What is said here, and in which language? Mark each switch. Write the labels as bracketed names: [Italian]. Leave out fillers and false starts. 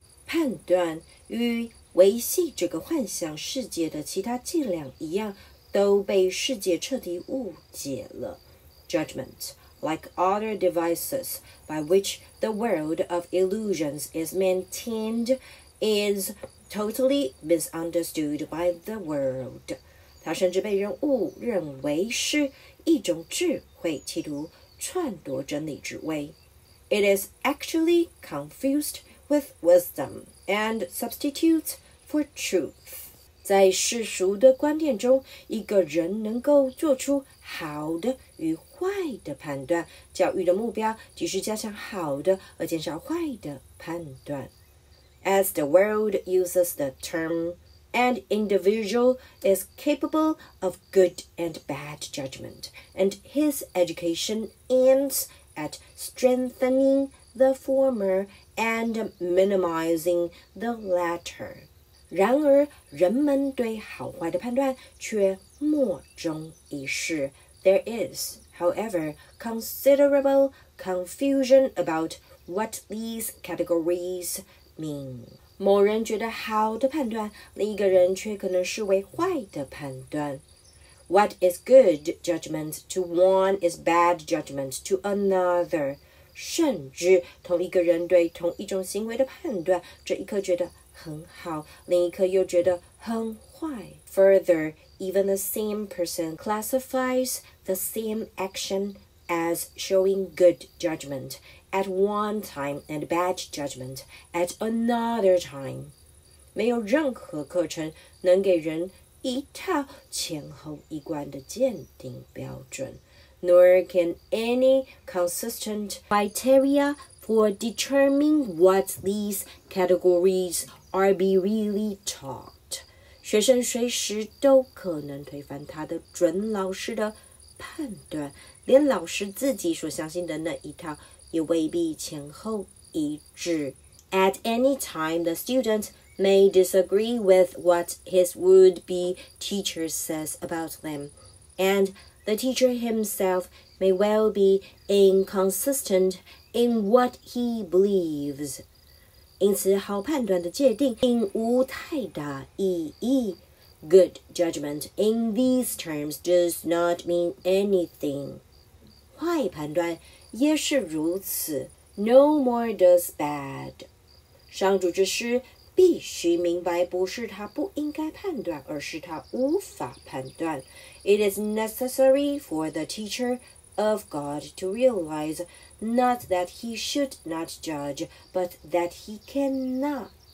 [Chinese] 判断与维系这个幻想世界的其他伎俩一样，都被世界彻底误解了。 [English] Judgment, like other devices by which the world of illusions is maintained, is totally misunderstood by the world. [Chinese] 它甚至被人误认为是一种智慧，企图篡夺真理之位。 [English] It is actually confused with wisdom and substitutes for truth. [Chinese] 在世俗的观念中，一个人能够做出好的与坏的判断。教育的目标即是加强好的而减少坏的判断。 [English] As the world uses the term, an individual is capable of good and bad judgment, and his education aims at strengthening the former and minimizing the latter. [Chinese] 然而人们对好坏的判断却莫衷一是。 [English] There is, however, considerable confusion about what these categories mean. [Chinese] 某人觉得好的判断，另一个人却可能视为坏的判断。 [English] What is good judgment to one is bad judgment to another. [Chinese] 甚至同一个人对同一种行为的判断，这一刻觉得很好，另一刻又觉得很坏。 [English] Further, even the same person classifies the same action as showing good judgment at one time and bad judgment at another time. [Chinese] 没有任何课程能给人一套前后一贯的鉴定标准， [English] nor can any consistent criteria for determining what these categories areAre be really taught. [Chinese] 学生随时都可能推翻他的准老师的判断，连老师自己所相信的那一套也未必前后一致。 [English] At any time, the student may disagree with what his would-be teacher says about them, and the teacher himself may well be inconsistent in what he believes. [Chinese] 因此好判断的界定并无太大意义。 [English] Good judgment in these terms does not mean anything. [Chinese] 坏判断也是如此， [English] no more does bad. [Chinese] 上主之师必须明白，不是他不应该判断，而是他无法判断。 [English] It is necessary for the teacher of God to realizeNot that he should not judge, but that he cannot.